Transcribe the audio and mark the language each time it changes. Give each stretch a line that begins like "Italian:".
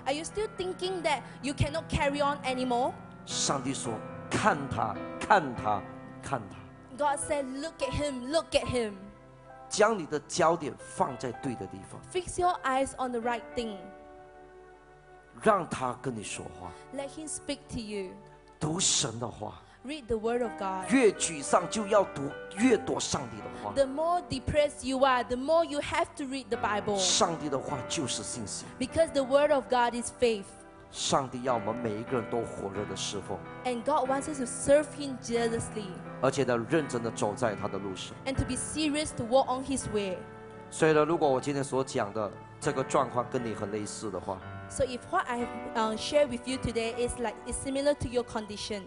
English: Are you still thinking that you cannot carry on anymore?
Chinese: 上帝说，看他，看他，看他。
English: God said, look at him, look at him.
Chinese: 将你的焦点放在对的地方。
English: Fix your eyes on the right thing.
Chinese: 让他跟你说话。
English: Let him speak to you.
Chinese: 读神的话。
English: Read the word of God.
Chinese: 越沮丧就要读越多上帝的话。
English: The more depressed you are, the more you have to read the Bible.
Chinese: 上帝的话就是信心。
English: Because the word of God is faith.
Chinese: 上帝要我们每一个人都火热的侍奉。
English: And God wants us to serve him jealously.
Chinese: 而且呢，认真的走在他的路上。
English: And to be serious to walk on his way.
Chinese: 所以呢，如果我今天所讲的这个状况跟你很类似的话。
English: So if what I have shared with you today is like is similar to your condition,